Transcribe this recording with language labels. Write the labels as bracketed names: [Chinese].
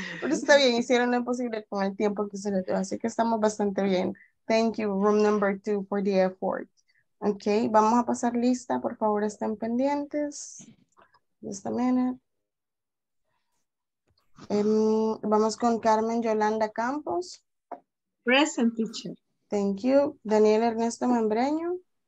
[Spanish] pero está bien, hicieron lo imposible con el tiempo que se le dio, así que estamos bastante bien. [English] Thank you, room number two, for the effort. [Spanish] Ok, vamos a pasar lista, por favor, estén pendientes. [English] Just a minute. [Spanish] Vamos con Carmen Yolanda Campos. [English] Present, teacher. Thank you. Daniel Ernesto Membreño.